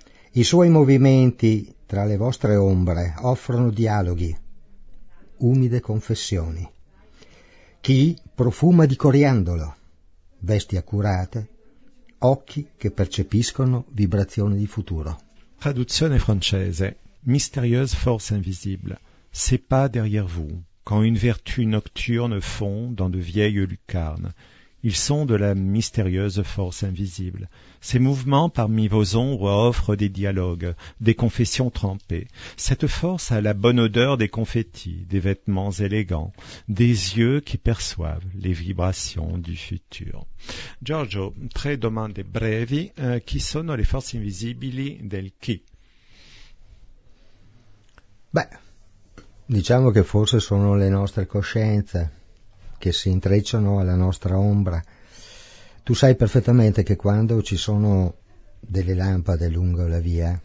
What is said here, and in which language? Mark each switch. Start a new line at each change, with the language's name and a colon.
Italian: I suoi movimenti tra le vostre ombre offrono dialoghi, umide confessioni. Chi profuma di coriandolo, vesti accurate, occhi che percepiscono vibrazioni di futuro. Traduzione francese.
French: Mystérieuse force invisible. Ses pas derrière vous, quand une vertu nocturne fond dans de vieilles lucarnes. Ils sont de la mystérieuse force invisible. Ces mouvements parmi vos ombres offrent des dialogues, des confessions trempées. Cette force a la bonne odeur des confettis, des vêtements élégants, des yeux qui perçoivent les vibrations du futur.
Italian: Giorgio, tre domande brevi. Chi sono le forze invisibili del chi? Beh, diciamo che forse sono le nostre coscienze che si intrecciano alla nostra ombra. Tu sai perfettamente che quando ci sono delle lampade lungo la via,